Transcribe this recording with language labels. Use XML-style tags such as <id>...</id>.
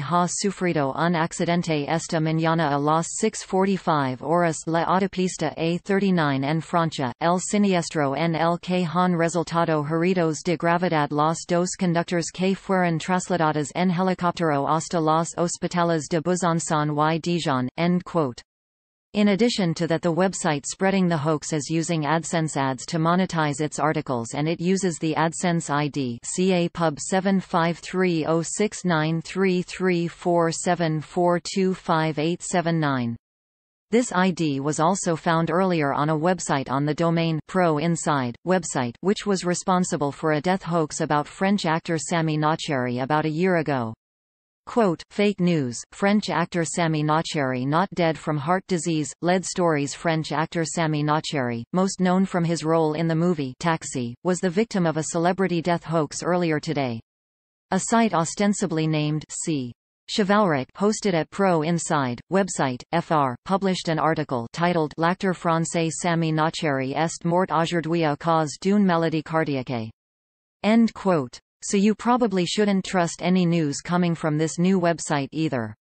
<es>ha sufrido un accidente esta mañana a las 6:45 horas la autopista A39 en Francia, el siniestro en el que han resultado heridos de gravedad los dos conductores que fueron trasladados en helicóptero hasta las hospitales de Busanson y Dijon,</es> <en>end quote. In addition to that, the website spreading the hoax is using AdSense ads to monetize its articles, and it uses the AdSense ID CA Pub 7530693347425879. This ID was also found earlier on a website on the domain Pro Inside website, which was responsible for a death hoax about French actor Sammy Nachary about a year ago. Quote, fake news, French actor Sammy Nachary not dead from heart disease, lead stories. French actor Sammy Nachary, most known from his role in the movie Taxi, was the victim of a celebrity death hoax earlier today. A site ostensibly named C. Chivalric, hosted at Pro Inside, website, FR, published an article titled</en> <fr>L'acteur français Sammy Nachary est mort aujourd'hui à cause d'une maladie cardiaque.</fr> <en>End quote. So you probably shouldn't trust any news coming from this new website either.</en>